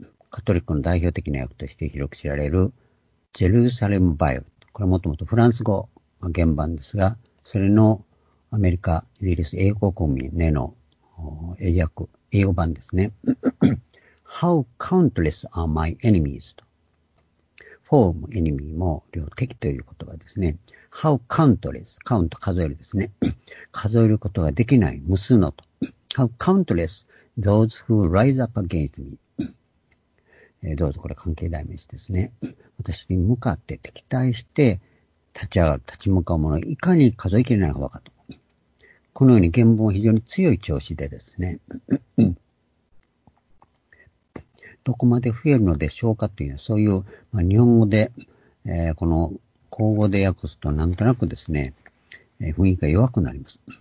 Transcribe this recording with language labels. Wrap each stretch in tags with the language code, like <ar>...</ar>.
<ja>カトリックの代表的な訳として広く知られるジェルサレムバイブル。これはもともとフランス語が原版ですが、それのアメリカ、イギリス、英国国民への英訳、英語版ですね。</ja> <en>How countless are my enemies?</en> <ja>For も enemy も両敵という言葉ですね。</ja> <en>How countless?</en> <ja>カウント数えるですね。数えることができない無数のと。</ja> <en>How countless those who rise up against me?</en> <ja>どうぞ、これ関係代名詞ですね。私に向かって敵対して立ち上がる、立ち向かう者をいかに数えきれないのかと。このように原文は非常に強い調子でですね。どこまで増えるのでしょうかというのは、そういう、まあ、日本語で、この口語で訳すとなんとなくですね、雰囲気が弱くなります。</ja>